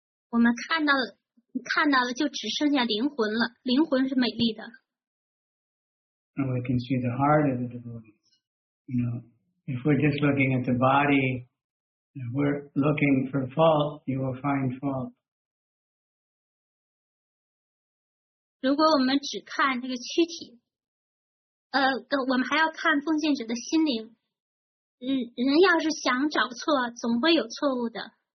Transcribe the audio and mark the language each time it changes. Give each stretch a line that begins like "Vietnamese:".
Chinese: 我们看到的就只剩下灵魂了，灵魂是美丽的。
English: And we can see the heart of the devotee. You know, if we're just looking at the body, if we're looking for fault, you will find fault.
Chinese: 如果我们只看这个躯体，我们还要看奉献者的心灵。人要是想找错，总会有错误的。